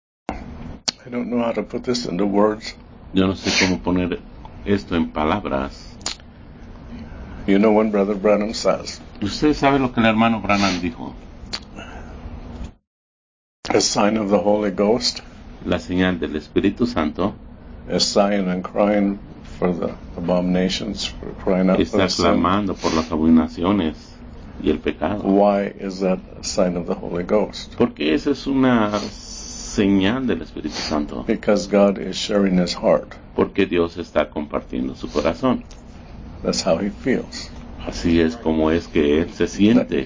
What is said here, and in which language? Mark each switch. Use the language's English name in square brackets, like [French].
[English] I don't know how to put this into words. [Spanish] Yo no sé cómo poner esto en palabras. [English] You know when Brother Branham says. [Spanish] Usted sabe lo que el hermano Branham dijo. [English] A sign of the Holy Ghost. [Spanish] La señal del Espíritu Santo. [English] A sign and crying for the abominations, for crying out for sin. [Spanish] Está clamando por las abominaciones y el pecado. [English] Why is that a sign of the Holy Ghost? [Spanish] Porque esa es una señal del Espíritu Santo. [English] Because God is sharing his heart. [Spanish] Porque Dios está compartiendo su corazón. [English] That's how he feels. [Spanish] Así es como es que él se siente.